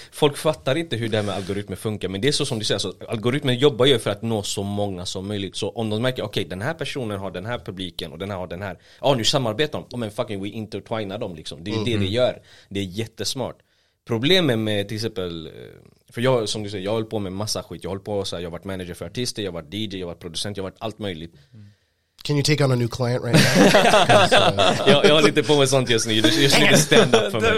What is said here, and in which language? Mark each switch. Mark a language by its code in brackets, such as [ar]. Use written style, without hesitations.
[sv] Folk fattar inte hur det här med algoritmer funkar, men det är så som du säger, så algoritmer jobbar ju för att nå så många som möjligt. Så om de märker, okej, den här personen har den här publiken och den här har den här. Ja, nu samarbetar de. Oh, men fucking, [en] we [sv] intertwinar dem liksom. Det är det vi gör. Det är jättesmart. Problemet med till exempel, för jag, som du säger, jag håller på med massa skit. Jag håller på så här, jag har varit manager för artister, jag har varit DJ, jag har varit producent, jag har varit allt möjligt. [en] Can you take on a new client right now? [sv] jag har lite på med sånt just nu. Just nu är det stand up för mig.